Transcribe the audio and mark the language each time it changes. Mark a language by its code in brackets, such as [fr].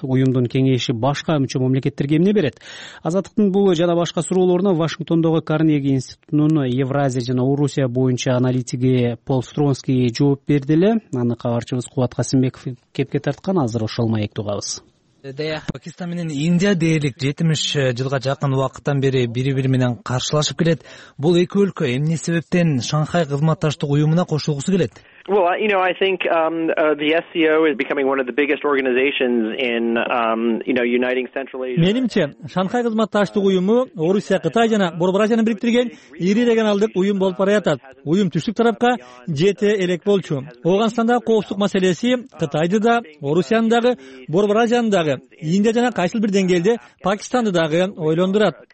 [ky] Уюмдун кеңеши башка мүчө мамлекеттерге эмне берет? Азаттыктын бул жана башка суроолоруна Вашингтондогу Карнеги институтунун Евразия жана Орусия боюнча аналитиги Пол Стронский жооп берди эле. Аны кабарчыбыз Кубат Касымбеков кепке тарткан, азыр ошол маекти угабыз. Пакистан менен Индия дээрлик 70 жылга жакын убакыттан бери бири бири менен каршылашып келет. Бул эки өлкө эмне себептен Шанхай кызматташтык уюмуна кошулгусу келет? [en] Well, you know, I think the SCO is becoming one of the biggest organizations in uniting Central Asia. [ky] Менимче, Шанхай кызматташтык уюму Орусия, Кытай жана Борбаражаны бириктирген ири регионалдык уюм болуп баратат. Уюм түштүк тарапка жете элек болчу. Ооганстандагы коопсуздук маселеси Кытайды да, Орусияны дагы, Борбаражаны дагы, Индия жана кайсыл бир деңгээлде Пакистанды дагы ойлондурат.